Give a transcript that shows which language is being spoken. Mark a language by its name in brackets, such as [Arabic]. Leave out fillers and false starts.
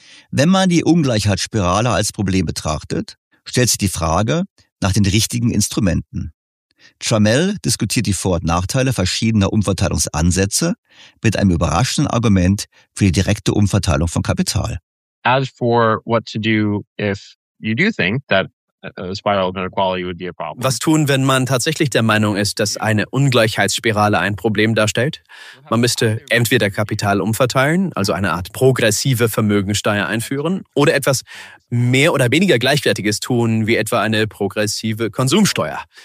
[German] Wenn man die Ungleichheitsspirale als Problem betrachtet, stellt sich die Frage nach den richtigen Instrumenten. Trammell diskutiert die Vor- und Nachteile verschiedener Umverteilungsansätze mit einem überraschenden Argument für die direkte Umverteilung von Kapital. [English] As for what to do if you do think that a spiral of inequality would be a problem. [German] Was tun, wenn man tatsächlich der Meinung ist, dass eine Ungleichheitsspirale ein Problem darstellt? Man müsste entweder Kapital umverteilen, also eine Art progressive Vermögensteuer einführen, oder etwas mehr oder weniger Gleichwertiges tun, wie etwa eine progressive Konsumsteuer.